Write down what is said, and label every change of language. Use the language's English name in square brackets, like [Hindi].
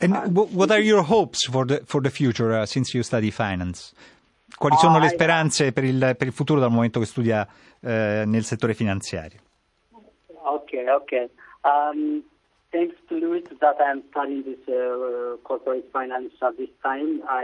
[English] What are your hopes for the future since you study finance? [Italian] Quali sono le speranze per il futuro dal momento che studia nel settore finanziario? [English] Okay. Thanks to Lewis that I'm studying this corporate finance at this time.